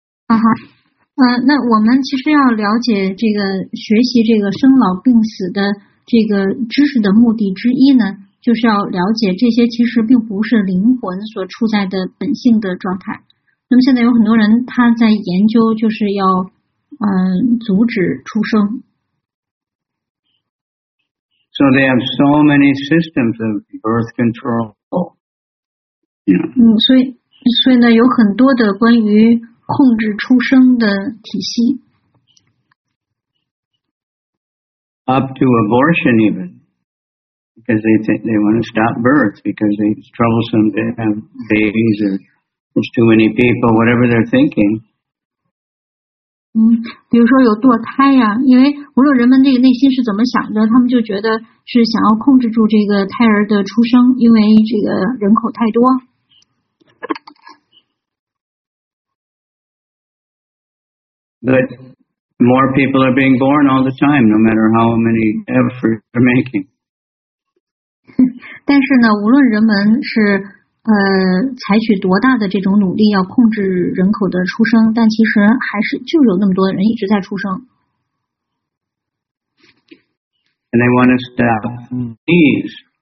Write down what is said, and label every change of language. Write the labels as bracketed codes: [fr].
[zh] 好，那我们其实要了解这个学习这个生老病死的这个知识的目的之一呢，就是要了解这些其实并不是灵魂所处在的本性的状态。那么现在有很多人他在研究，就是要阻止出生。 [en] So they have so many systems of birth control. [zh] So, 有很多的关于控制出生的体系。 [en] Up to abortion even. Because they think they want to stop birth because it's troublesome to have babies or there's too many people, whatever they're thinking. [zh] 比如说有堕胎呀、因为无论人们这个内心是怎么想的，他们就觉得是想要控制住这个胎儿的出生，因为这个人口太多。 [en] But more people are being born all the time, no matter how many efforts they're making. [zh] 但是呢，无论人们是采取多大的这种努力要控制人口的出生，但其实还是就有那么多人一直在出生。 [en] And they want to stop disease.